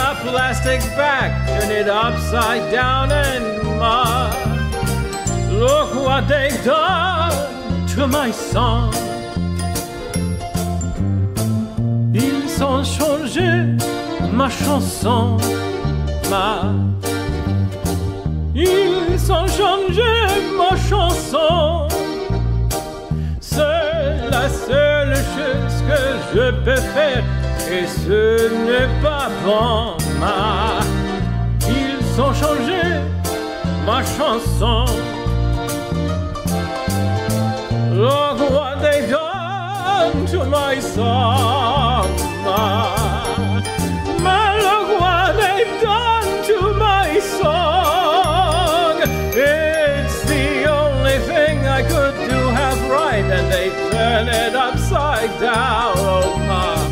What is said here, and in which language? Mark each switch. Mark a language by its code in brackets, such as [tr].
[en] Plastic bag, turn it upside down, and ma, look what they've done to my song. [fr] Ils ont changé ma chanson, ma. Ils ont changé ma chanson. C'est la seule chose que je peux faire, et ce n'est pas bon. Ils ont changé ma chanson. [en] Look what they've done to my song, ma. Ma, look what they've done to my song. It's the only thing I could do half right, and they turn it upside down, oh ma.